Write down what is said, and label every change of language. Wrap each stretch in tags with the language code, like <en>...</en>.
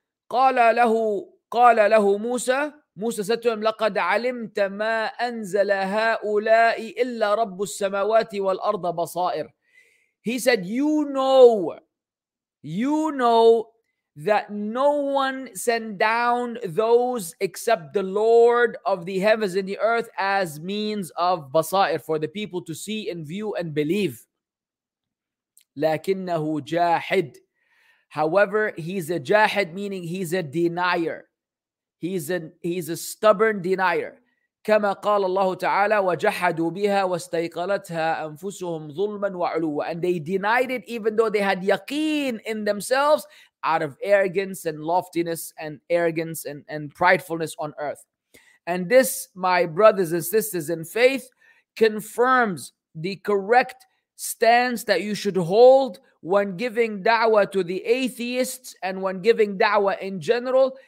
<ar>قَالَ لَهُ قال له موسى موسى</ar> <en>said to him,</en> <ar>لقد علمت ما أنزل هؤلاء إلا رب السماوات والأرض بصائر.</ar> <en>He said, you know that no one sent down those except the Lord of the heavens and the earth as means of بصائر, for the people to see and view and believe.</en> <ar>لكنه جاحد.</ar> <en>However, he's a jahid, meaning he's a denier. He's a stubborn denier.</en> <ar>كما قال الله تعالى وجحدوا بها واستيقلتها أنفسهم ظلما وعلوا.</ar> <en>And they denied it even though they had yaqeen in themselves out of arrogance and loftiness and arrogance and pridefulness on earth. And this, my brothers and sisters in faith, confirms the correct stance that you should hold when giving da'wah to the atheists and when giving da'wah in general.</en>